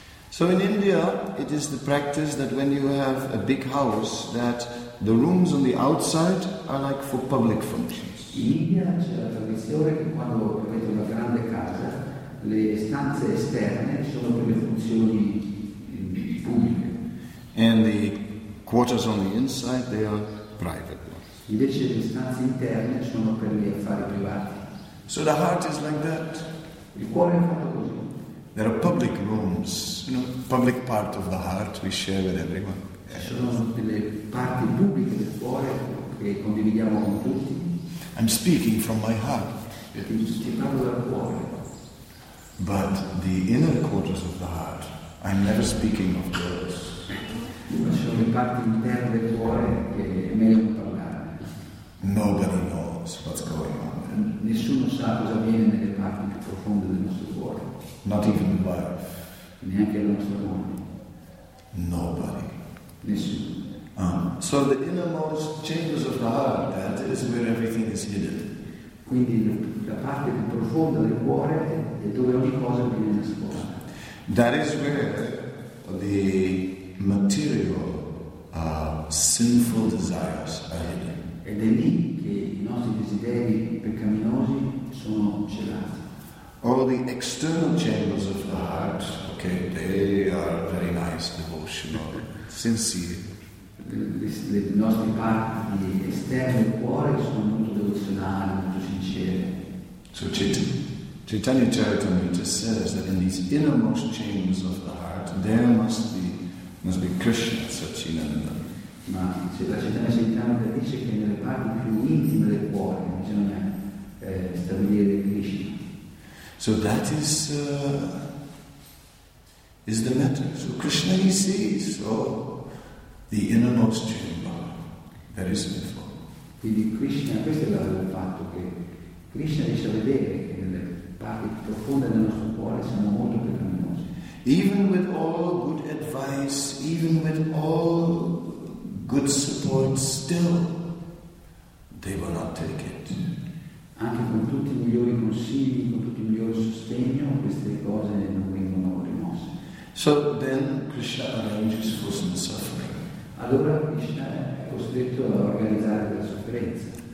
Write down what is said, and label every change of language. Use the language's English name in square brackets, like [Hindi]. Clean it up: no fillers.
[English] So in India, it is the practice that when you have a big house, that the rooms on the outside are like for public functions. [Italian] In India c'è la tradizione che quando avete una grande casa, le stanze esterne sono per le funzioni pubbliche. [English] And the quarters on the inside, they are private. [Italian] Invece le stanze interne sono per gli affari privati. [English] So the heart is like that. [Italian] Il cuore è fatto così. [English] There are public rooms, you know, public part of the heart we share with everyone. [Italian] Sono delle parti pubbliche del cuore che condividiamo con tutti. [English] I'm speaking from my heart. [Italian] Ti parlo dal cuore. [English] But the inner quarters of the heart, I'm never speaking of words. [Italian] Ma sono le parti interne del cuore che è meglio non parlare. [English] Nobody knows what's going on. [Italian] Nessuno sa cosa avviene nelle parti più profonde del nostro cuore. [English] Not even the wife. [Italian] Neanche la nostra moglie. [English] Nobody. [Italian] Nessuno. [English] So the innermost chambers of the heart, that is where everything is hidden. [Italian] Quindi la parte più profonda del cuore è dove ogni cosa viene nascosta. [English] That is where the material sinful desires are hidden. [Italian] Ed è lì che i nostri desideri peccaminosi sono celati. [English] All the external chambers of the heart, okay, they are very nice, devotional, sincere. [Italian] Le nostre parti esterne del cuore sono molto devozionali, molto sincere. [English] So Chaitanya Charitamrita says that in these innermost chambers of the heart, there must be Krishna, Satchinananda. [Italian] Ma se la Chaitanya Charitamrita dice che nelle parti più intime del cuore bisogna stabilire Krishna. [English] So that is the matter. So Krishna, He sees, the innermost chamber, very sinful. [Italian] Quindi Krishna, questo è l'altro fatto, che Krishna riesce a vedere che nelle parti profonde del nostro cuore siamo molto peccaminosi. [English] Even with all good advice, even with all good support, still they will not take it. [Italian] Anche con tutti i migliori consigli, con tutti il migliore sostegno, queste cose non vengono rimosse. [English] So then Krishna arranges for some suffering. [Italian] Allora Krishna è costretto a organizzare la sofferenza.